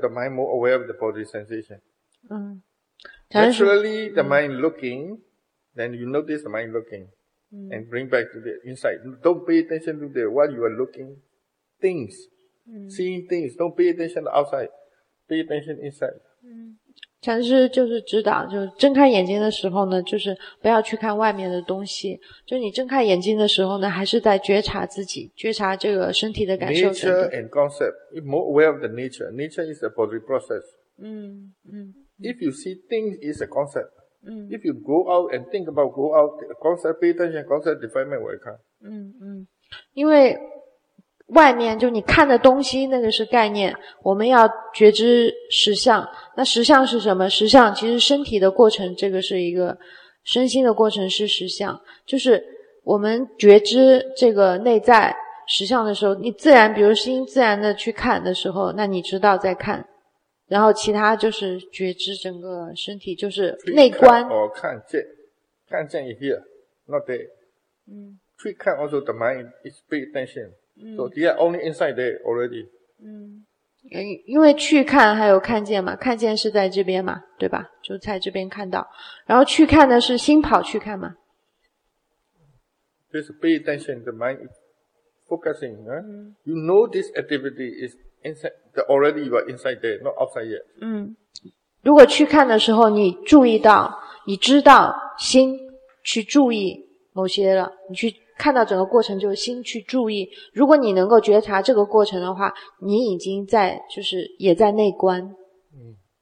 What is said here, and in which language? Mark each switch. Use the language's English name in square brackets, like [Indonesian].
[English] The mind more aware of the body sensation. 嗯。 Naturally, the mind looking, then you notice the mind looking, and bring back to the inside. Don't pay attention to the what you are looking, things, seeing things. Don't pay attention to outside. Pay attention inside. 嗯。 [Chinese] 禅师就是指导，就是睁开眼睛的时候呢，就是不要去看外面的东西。就你睁开眼睛的时候呢，还是在觉察自己，觉察这个身体的感受。 [English] Nature and concept, you're more aware of the nature. Nature is a body process. 嗯嗯。 If you see things is a concept. 嗯。 If you go out and think about go out, the concept, pay attention, concept, defilement will come. 嗯嗯。 [Chinese] 因为外面就你看的东西那个是概念，我们要觉知实相。那实相是什么？实相其实身体的过程，这个是一个身心的过程，是实相。就是我们觉知这个内在实相的时候，你自然比如心自然的去看的时候，那你知道在看，然后其他就是觉知整个身体，就是内观。去看 [English] or [Chinese] 看见，看见 [English] is here, not there. 嗯， [Chinese] 去看 [English] also the mind is pay attention. 嗯、 so they are only inside there already. [Chinese] 嗯，因为去看还有看见嘛，看见是在这边嘛，对吧？就在这边看到，然后去看的是心跑去看嘛。 [English] Just pay attention, the mind focusing.、Huh? You know this activity is inside, already you are inside there, not outside yet. [Chinese] 嗯，如果去看的时候，你注意到，你知道心去注意某些了，你去。看到整个过程就是心去注意，如果你能够觉察这个过程的话，你已经在就是也在内观。嗯。